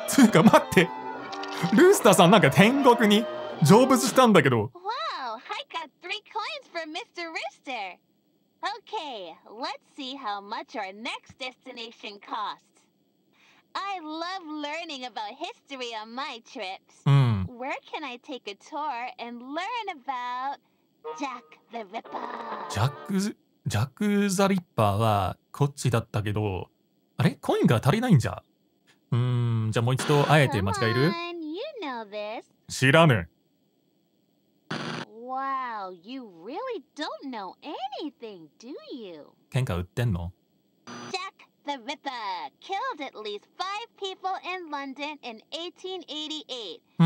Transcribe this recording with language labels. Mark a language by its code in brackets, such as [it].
[ja] つうか待って。ルースターさんなんか天国に成仏したんだけど。 [en] Wow, I Mr. Rooster! Okay, let's see how much our next destination costs. I love learning about history on my trips. Where can I take a tour and learn about Jack the Ripper? [ja] Jack the Ripper はこっちだったけど、あれ？コインが足りないんじゃ。じゃあもう一度あえて間違える？ [en] Come on, you know this. [ja] 知らぬ。 [en] Wow, you really don't know anything, do you? [ja] 喧嘩売ってんの？ [en] Jack the Ripper killed at least 5 people in London in 1888.